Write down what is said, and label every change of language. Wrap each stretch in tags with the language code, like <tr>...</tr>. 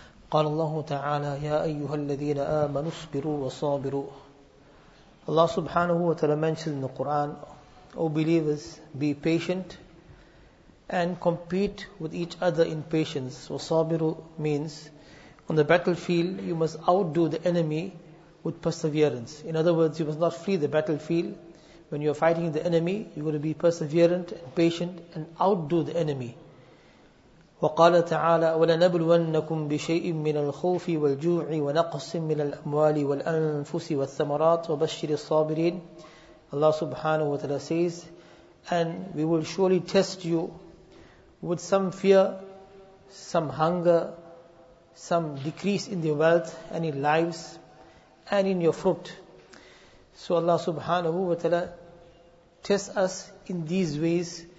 <ar>قال الله تعالى يا أيها الذين آمنوا اصبروا وصابروا.</ar> <en>Allah subhanahu wa ta'ala mentions in the Quran, O believers, be patient and compete with each other in patience.</en> <ar>وصابروا</ar> <en>means, on the battlefield you must outdo the enemy with perseverance. In other words, you must not flee the battlefield. When you are fighting the enemy, you got to be perseverant and patient and outdo the enemy.</en> <ar>وقال تعالى ولنبلونكم بشيء من الخوف والجوع ونقص من الأموال والأنفس والثمرات وبشر الصابرين.</ar> <en>Allah subhanahu wa ta'ala says, and we will surely test you with some fear, some hunger, some decrease in your wealth and in lives and in your fruit. So Allah subhanahu wa ta'ala tests us in these ways.</en>